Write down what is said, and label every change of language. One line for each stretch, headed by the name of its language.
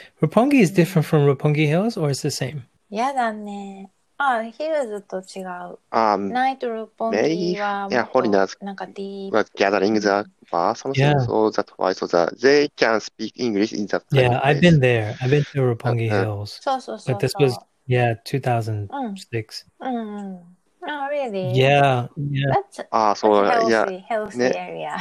English: Roppongi is different from Roppongi Hills, or it's the same?
Japanese: やだね。あ、ヒルズと違う。ナイト・ロッポンギはもっと、ホリナーズ、なんかディープ。
English: Gathering the person, so that why, so that they can speak English in that place. Yeah, I've been there. I've been to Roppongi Hills.
Japanese: そうそうそう。
English: But this was, 2006. Oh, really? Yeah. That's a healthy area.